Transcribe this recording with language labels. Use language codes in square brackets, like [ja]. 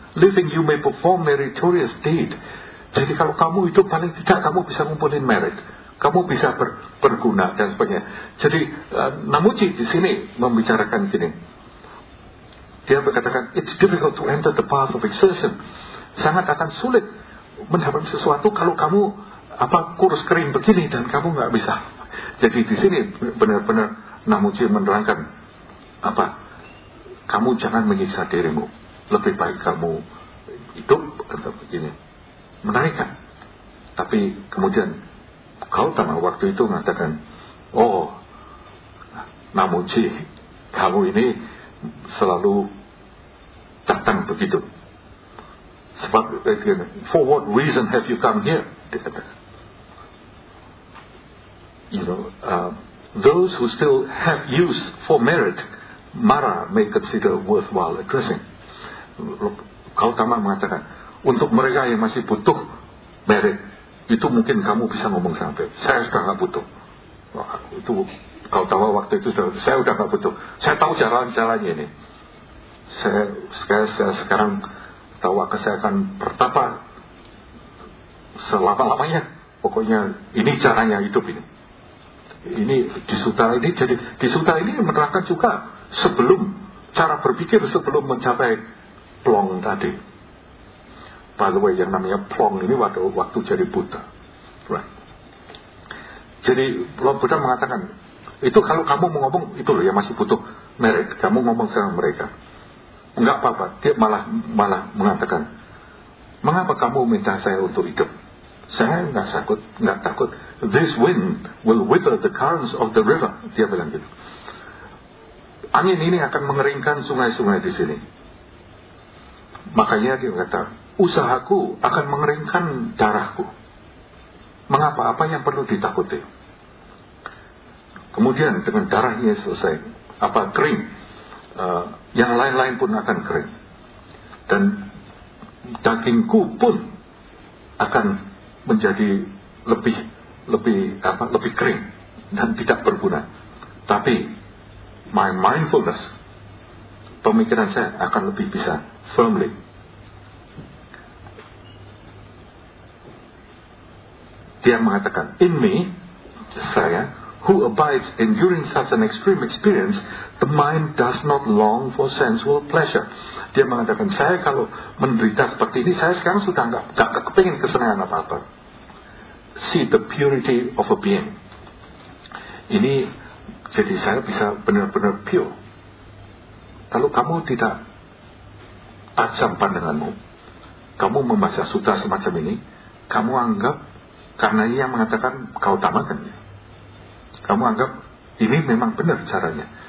[en] "Living, you may perform meritorious deed." [id] Jadi kalau kamu hidup, paling tidak kamu bisa ngumpulin merit, kamu bisa berguna dan sebagainya. Jadi Namuji di sini membicarakan gini. Dia berkatakan, [en] "It's difficult to enter the path of exertion." [id] Sangat akan sulit mendapatkan sesuatu kalau kamu kurus kering begini dan kamu nggak bisa. Jadi di sini benar-benar Namuji menerangkan, kamu jangan menyiksa dirimu, lebih baik kamu hidup atau begini. Menarik kan? Tapi kemudian Gautama waktu itu mengatakan, "Oh, Namuji, kamu ini selalu datang begitu. Sebab, [en] for what reason have you come here?" [id] Dia kata, [en] "You know, those who still have use for merit, Mara may consider worthwhile addressing." [id] Gautama mengatakan, "Untuk mereka yang masih butuh merit, itu mungkin kamu bisa ngomong sampai, saya sudah gak butuh." Wah, itu Gautama waktu itu sudah, "Saya sudah gak butuh, saya tahu jalan-jalannya ini. Saya sekarang tahu apa, saya akan bertapa selama-lamanya. Pokoknya ini caranya hidup ini." Ini di Sutta ini, jadi di Sutta ini menerangkan juga sebelum, cara berpikir sebelum mencapai plong tadi. [en] By the way, [id] yang namanya plong ini waktu jadi Buddha, [en] right? [id] Jadi Buddha mengatakan, itu kalau kamu mau ngomong, itu loh yang masih butuh merit, kamu ngomong sama mereka, enggak apa-apa. Dia malah mengatakan, "Mengapa kamu minta saya untuk hidup? Saya enggak takut. [en] This wind will wither the currents of the river." [id] Dia bilang gitu. Angin ini akan mengeringkan sungai-sungai di sini. Makanya dia berkata, "Usahaku akan mengeringkan darahku. Mengapa? Apa yang perlu ditakuti?" Kemudian dengan darahnya selesai, kering, yang lain-lain pun akan kering. Dan dagingku pun akan menjadi lebih kering dan tidak berguna. Tapi [en] my mindfulness, [id] pemikiran saya akan lebih bisa [en] firmly. [id] Dia mengatakan, [en] in me, [id] saya, [en] who abides enduring such an extreme experience, the mind does not long for sensual pleasure. [id] Dia mengatakan, saya kalau menderita seperti ini, saya sekarang sudah enggak kepingin kesenangan apa-apa. [en] See the purity of a being. [id] Ini jadi saya bisa benar-benar pure. Kalau kamu tidak tajam pandanganmu, kamu membaca sutra semacam ini, kamu anggap, karena ini yang mengatakan kau utamakannya, kamu anggap ini memang benar caranya.